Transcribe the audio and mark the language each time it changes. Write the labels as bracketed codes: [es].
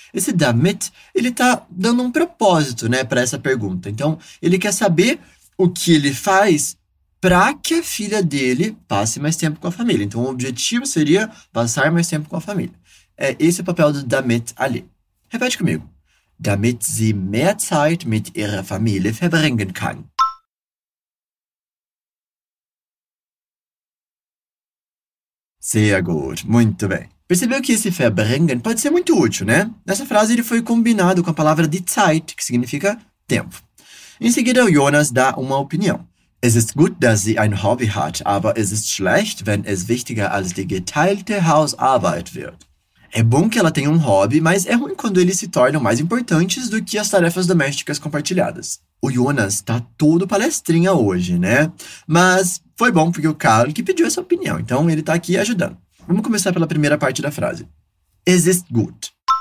[pt] Esse damit, ele tá dando um propósito, né, para essa pergunta. Então, ele quer saber o que ele faz para que a filha dele passe mais tempo com a família. Então, o objetivo seria passar mais tempo com a família. É esse o papel do damit ali. Repete comigo. [de] Damit sie mehr Zeit mit ihrer Familie verbringen kann. Sehr gut, [pt] muito bem. Percebeu que esse verbringen pode ser muito útil, né? Nessa frase ele foi combinado com a palavra die Zeit, que significa tempo. Em seguida, o Jonas dá uma opinião. [de] Es ist gut, dass sie ein Hobby hat, aber es ist schlecht, wenn es wichtiger als die geteilte Hausarbeit wird. [pt] É bom que ela tenha um hobby, mas é ruim quando eles se tornam mais importantes do que as tarefas domésticas compartilhadas. O Jonas tá todo palestrinha hoje, né? Mas foi bom porque o Carl que pediu essa opinião, então ele tá aqui ajudando. Vamos começar pela primeira parte da frase. [de] Es ist gut.